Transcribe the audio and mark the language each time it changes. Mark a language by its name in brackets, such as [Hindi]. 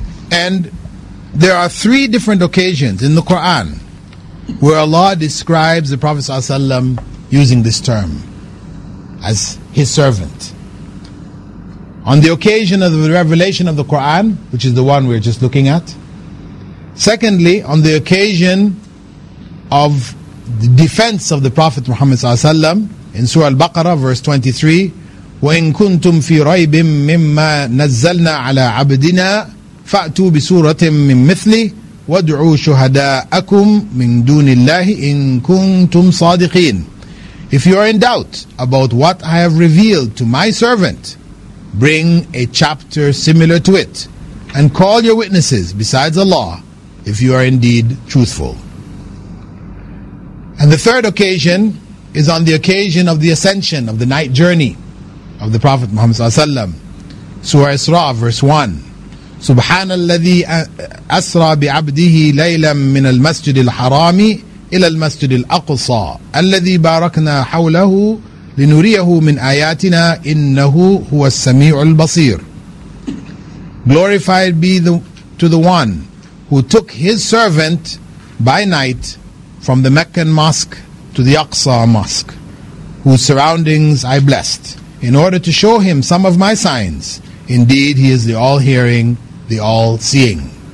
[English] And there are three different occasions in the Quran where Allah describes the Prophet ﷺ using this term as His servant. On the occasion of the revelation of the Quran, which is the one we're just looking at. Secondly, on the occasion of the defense of the Prophet Muhammad ﷺ in Surah Al-Baqarah verse 23, [Arabic] وَإِن كُنْتُمْ فِي رَيْبٍ مِمَّا نَزَّلْنَا عَلَىٰ عَبْدِنَا فَأْتُوا بِسُورَةٍ مِّن مِثْلِهِ وَادْعُوا شُهَدَاءَكُمْ مِنْ دُونِ اللَّهِ إِن كُنْتُمْ صَادِقِينَ. [English] If you are in doubt about what I have revealed to my servant, bring a chapter similar to it and call your witnesses besides Allah if you are indeed truthful. And the third occasion is on the occasion of the ascension of the night journey of the Prophet Muhammad ﷺ. Surah Isra verse 1. [Arabic] سبحان الذي أسرى بعبده ليلا من المسجد الحرام إلى المسجد الأقصى الذي باركنا حوله لنريه من آياتنا إنه هو السميع البصير. [English] Glorified be to the one who took his servant by night from the Meccan mosque to the Aqsa mosque, whose surroundings I blessed, in order to show him some of my signs. Indeed, he is the all-hearing, the all-seeing.